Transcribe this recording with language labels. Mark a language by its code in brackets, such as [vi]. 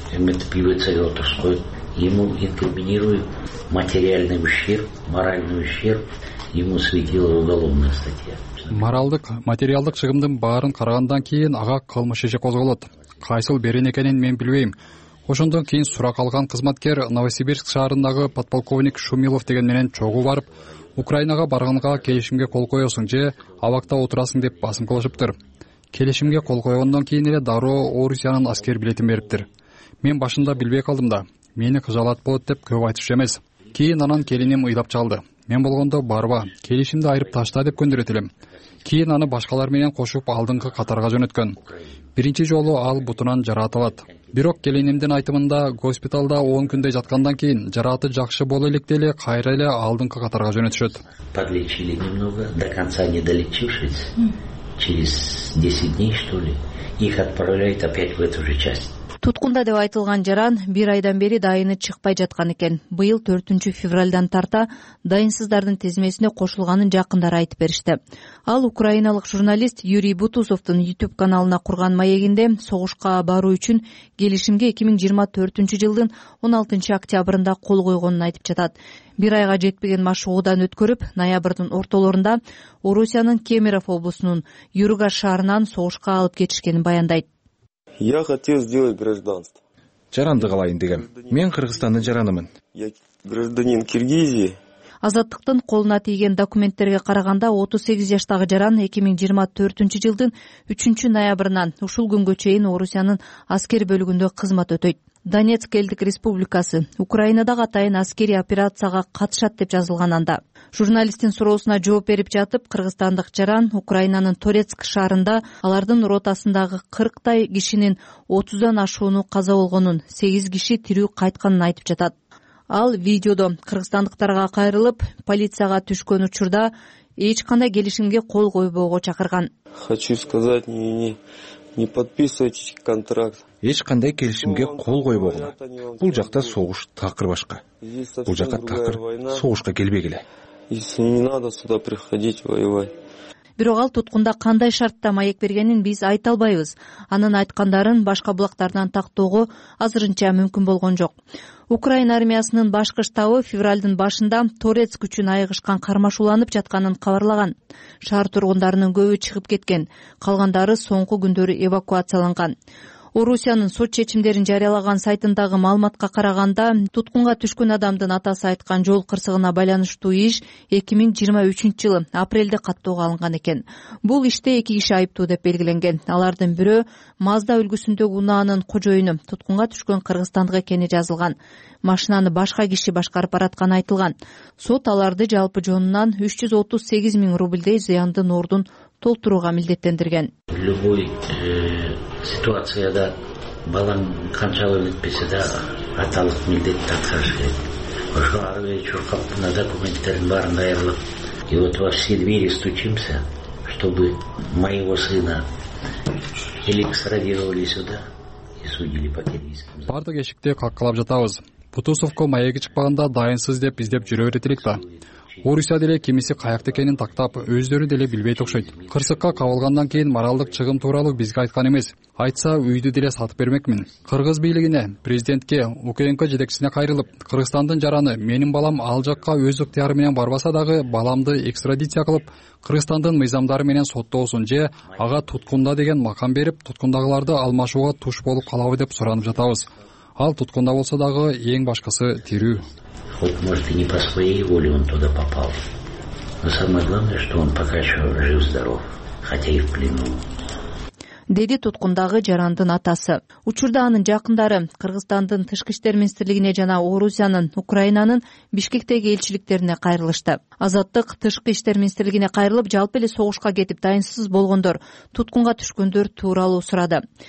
[ky] Эметип ИВЦ-ге отурус коюп, [ru] ему инкриминируют материальный ущерб, моральный ущерб, ему светила уголовная статья. [ky] Моралдык, материалдык чыгымдын баарын карагандан кийин ага кылмыш иши козголот. Кайсыл берен экенин мен билбейм. Ошондон кийин сурак алган кызматкер Новосибирск шаарындагы подполковник Шумилов деген менен чогуу барып, Украинага барганга келишимге кол коесуң же абакта отурасың деп басым кылышыптыр. Келишимге кол койгондон кийин эле дароо Орусиянын аскер билетин бериптир. Мен башында билбей калдым да, мени кыжалат болот деп көп айтышчу эмес. Кийин анан келиним ыйлап чалды. Мен болгондо барба, келишимди айырып ташта деп көндүрөт элем. Кийин аны башкалар менен кошуп алдыңкы катарга жөнөткөн. Биринчи жолу ал бутунан жараат алат. Бирок келинимдин айтымында госпиталда 10 күндөй жаткандан кийин жараты жакшы боло электе эле кайра эле алдыңкы катарга жөнөтүшөт. [ru] Подлечили немного, до конца не долечившись, через 10 дней, что ли, их отправляют опять в эту же часть. [ky] Туткунда деп айтылган жаран бир айдан бери дайыны чыкпай жаткан экен. Быйыл 4-чү февралдан тарта дайынсыздардын тизмесине кошулганын жакындары айтып беришти. Ал украиналык журналист Юрий Бутусовдун YouTube каналына курган маегинде согушка баруу үчүн келишимге 2024 жылдын 16 октябрында кол койгонун айтып жатат. Бир айга жетпеген машыгуудан өткөрүп, ноябрдын ортолорунда Орусиянын Кемеров облусунун Юрга шаарынан согушка алып кетишкенин баяндайт. [ru] Я хотел сделать гражданство. [ky] Жаранды калайын деген. Мен Кыргызстандын жаранымын. [ru] Я гражданин Киргизии. [ky] Азаттыктын колуна тийген документтерге караганда 38 жаштагы жаран 2024 жылдын 3 ноябрынан ушул күнгө чейин Орусиянын аскер бөлүгүндө кызмат өтөйт. Донецк элдик республикасы Украинадагы атайын аскерий операцияга катышат деп жазылган анда. Журналисттин суроосуна жооп берип жатып, кыргызстандык жаран Украинанын Торецк шаарында алардын ротасындагы 40 кишинин 30 ашууну каза болгонун, 8 киши тирүү кайтканын айтып жатат. Ал видеодо кыргызстандыктарга кайрылып, полицияга түшкөн учурда эч кандай келишимге кол койбоого чакырган. [ru] Хочу сказать, не подписывайте контракт. [ky] Эч кандай келишимге кол койбогула. Бул жакта согуш такыр башка. Бул жакка такыр согушка келбегиле. [ru] Не надо сюда приходить воевать. [ky] Бирок ал туткунда кандай шартта маек бергенин биз айта албайбыз. Анын айткандарын башка булактардан тактоого азырынча мүмкүн болгон жок. Украина армиясынын башкы штабы февралдын башында Торецк үчүн айыгышкан кармашууланып жатканын кабарлаган. Шаар тургундарынын көбү чыгып кеткен, калгандары соңку күндөрү эвакуацияланган. Орусиянын сот чечимдерин жарыялаган сайтындагы маалыматка караганда, туткунга түшкөн адамдын атасы айткан жол кырсыгына байланыштуу иш 2023 жылы апрелде каттоого алынган экен. Бул иште 2 киши айыптуу деп белгиленген. Алардын бирөө Mazda үлгүсүндөгү унаанын кожоюну, туткунга түшкөн кыргызстандык экени жазылган. Машинаны башка киши башкарып бараткан айтылган. Сот аларды жалпы жонунан 338 000 рубльдей зыяндын ордун толтурууга милдеттендирген. Ситуацияда балам канчалык өлүтпөсө да аталык милдетти аткарыш керек. Ошо ары бери чуркап мына документтердин баарын даярлап, [ru] и вот во все двери стучимся, чтобы моего сына экстрадировали сюда и судили по киргизски. [ky] Бардык эшикти каккалап жатабыз. Бутусовко маеги чыкпаганда дайынсыз деп издеп жүрө берет элек да. Орусия деле кемиси каякта экенин тактап, өздөрү деле билбейт окшойт. Кырсыкка кабылгандан кийин моралдык чыгым тууралуу бизге айткан эмес. Айтса, үйдү деле сатып бермекмин. Кыргыз бийлигине, президентке, УКНК жетекчисине кайрылып, Кыргызстандын жараны, менин балам ал жакка өз ыктыяры менен барбаса дагы, баламды экстрадиция кылып, Кыргызстандын мыйзамдары менен соттоосун же ага туткунда деген макам берип, туткундагыларды алмашууга туш болуп калабы деп суранып жатабыз. Ал туткунда болсо дагы эң башкасы тирүү. [ru] Вот, может, и не по своей воле он туда попал. Но самое главное, что он пока еще жив-здоров, хотя и в плену. [ky] Деди туткундагы жарандын атасы. Учурда анын жакындары Кыргызстандын тышкы иштер министрлигине жана Орусиянын Украинанын Бишкектеги элчиликтерине кайрылышты. Азаттык тышкы иштер министрлигине кайрылып, жалпы эле согушка кетип дайынсыз болгондор, туткунга түшкөндөр тууралуу сурады.